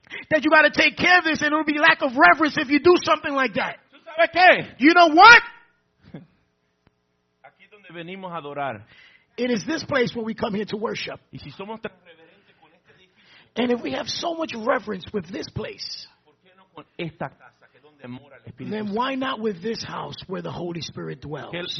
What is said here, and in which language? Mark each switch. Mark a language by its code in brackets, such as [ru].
[en] That you got to take care of this and it'll be lack of reverence if you do something like that. You know what? [es] Aquí donde venimos a adorar. [en] It is this place where we come here to worship. [es] Y si somos tan reverentes con este edificio, [en] and if we have so much reverence with this place, [es] ¿por qué no con esta casa, que donde mora el Espíritu? [en] Then why not with this house where the Holy Spirit dwells?